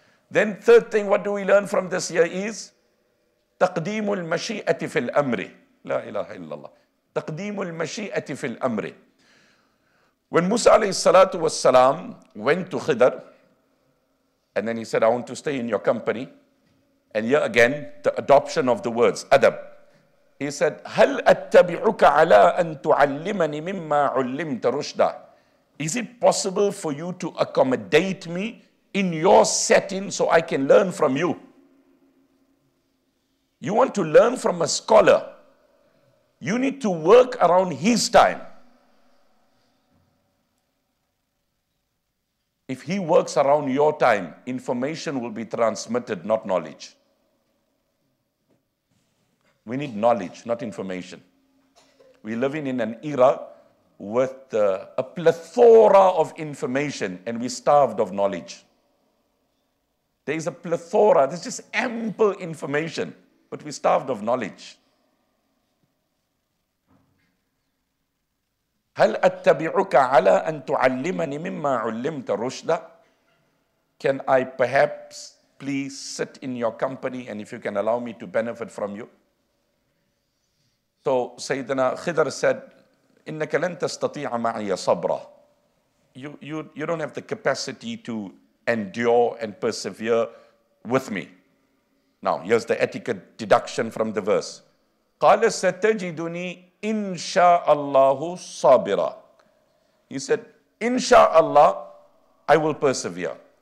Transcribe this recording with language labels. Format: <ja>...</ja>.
<en>Then third thing, what do we learn from this year is</en> <ar>تقديم المشيئة في الأمر. لا إله إلا الله. تقديم المشيئة في الأمر.</ar> <en>When Musa alayhi salatu wasalam went to Khidr, and then he said, I want to stay in your company. And here again, the adoption of the words, adab. He said,</en> <ar>هَلْ أَتَّبِعُكَ عَلَىٰ أَن تُعَلِّمَنِ مِمَّا عُلِّمْتَ رُشْدًا.</ar> <en>Is it possible for you to accommodate me in your setting so I can learn from you? You want to learn from a scholar. You need to work around his time. If he works around your time, information will be transmitted, not knowledge. We need knowledge, not information. We're living in an era with a plethora of information, and we're starved of knowledge. There is a plethora, there's just ample information, but we're starved of knowledge.</en> <ar>هَلْ أَتَّبِعُكَ عَلَىٰ أَن تُعَلِّمَنِ مِمَّا عُلِّمْتَ رُشْدًا.</ar> <en>Can I perhaps please sit in your company, and if you can allow me to benefit from you? So Sayyidina Khidr said,</en> <ar>إِنَّكَ لَن تَسْتَطِيعَ مَعِيَ صَبْرًا.</ar> <en>You don't have the capacity to endure and persevere with me. Now, here's the etiquette deduction from the verse.</en> <ar>قَالَ سَتَجِدُنِي إِنْشَاءَ صَابِرًا.</ar> <en>He said, inshallah, I will persevere.</en>